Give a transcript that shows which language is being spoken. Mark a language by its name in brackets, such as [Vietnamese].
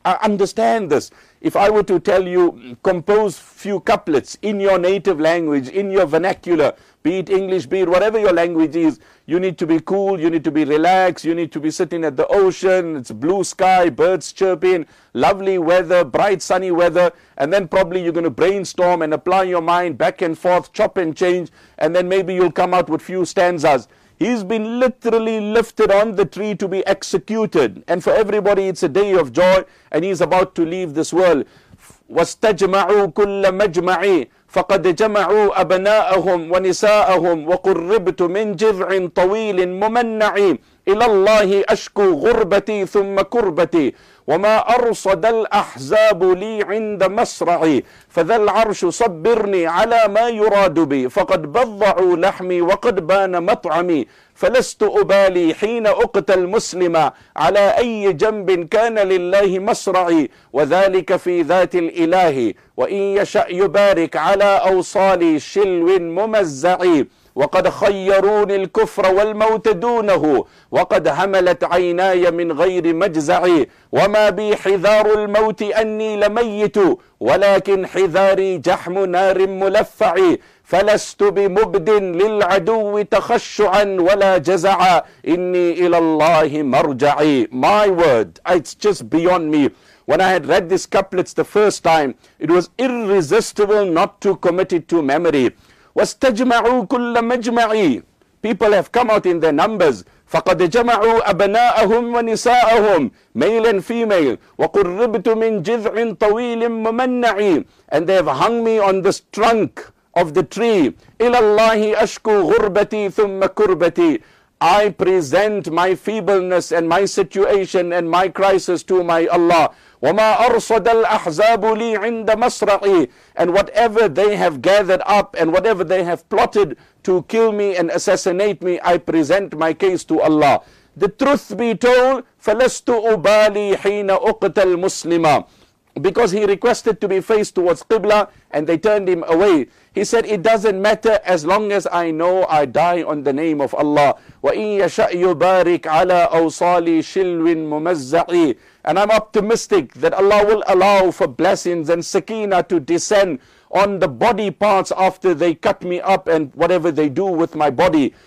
[English] I understand this. If I were to tell you, compose few couplets in your native language, in your vernacular, be it English, be it whatever your language is, you need to be cool, you need to be relaxed, you need to be sitting at the ocean, it's blue sky, birds chirping, lovely weather, bright sunny weather, and then probably you're going to brainstorm and apply your mind back and forth, chop and change, and then maybe you'll come out with few stanzas. He's been literally lifted on the tree to be executed. And for everybody, it's a day of joy. And he's about to leave this world. [Arabic] وَاسْتَجْمَعُوا كُلَّ مَجْمَعِي فَقَدْ جَمَعُوا أَبْنَاءَهُمْ وَنِسَاءَهُمْ وَقُرِّبْتُ مِنْ جِذْعٍ طَوِيلٍ مُمَنَّعِي إِلَى اللَّهِ أَشْكُو غُرْبَتِي ثُمَّ كُرْبَتِي وَمَا أَرْصَدَ الْأَحْزَابُ لِي عِنْدَ مَصْرَعِي فَذَا الْعَرْشُ صَبِّرْنِي عَلَى مَا يُرَادُ بِي فَقَدْ بَضَّعُوا لَحْمِي وَقَدْ بَانَ مَطْعَمِي فَلَسْتُ أُبَالِي حِينَ أُقْتَلْ مُسْلِمًا عَلَى أَيِّ جَنْبٍ كَانَ لِلَّهِ مَصْرَعِي وَذَلِكَ فِي ذَاتِ الْإِلَهِ وَإِنْ يَشَأْ يُبَارِكْ عَلَى أَوْصَالِي شِلْوٍ مُمَزَّعِي وقد خيروني الكفر والموت دونه وقد هملت عيناي من غير مجزعي وما بي حذار الموت أني لميت ولكن حذاري جحم نار ملفعي فلست بمبد للعدو تخشعا ولا جزعا إني إلى الله مرجعي. [English] My word, it's just beyond me. When I had read these couplets the first time, it was irresistible not to commit it to memory. [Arabic] وَاسْتَجْمَعُوا كُلَّ مَجْمَعِي. [English] People have come out in their numbers. [Arabic] فَقَدْ جَمَعُوا أَبْنَاءَهُمْ وَنِسَاءَهُمْ, [English] male and female. [Arabic] وَقُرِّبْتُ مِنْ جِذْعٍ طَوِيلٍ مُمَنَّعِي. [English] And they have hung me on this trunk of the tree. [Arabic] إِلَى اللَّهِ أَشْكُو غُرْبَتِي ثُمَّ كُرْبَتِي. [English] I present my feebleness and my situation and my crisis to my Allah. [Arabic] وَمَا أَرْصَدَ الْأَحْزَابُ لِي عِنْدَ مَصْرَعِي. [English] And whatever they have gathered up and whatever they have plotted to kill me and assassinate me, I present my case to Allah. The truth be told, [Arabic] فَلَسْتُ أُبَالِي حِينَ أُقْتَلْ مُسْلِمًا. [English] Because he requested to be faced towards Qibla and they turned him away. He said, it doesn't matter, as long as I know I die on the name of Allah. [Arabic] وَإِنْ يَشَأْ يُبَارِكْ عَلَى أَوْصَالِي شِلْوٍ مُمَزَّعِي. [English] And I'm optimistic that Allah will allow for blessings and sakina to descend on the body parts after they cut me up and whatever they do with my body.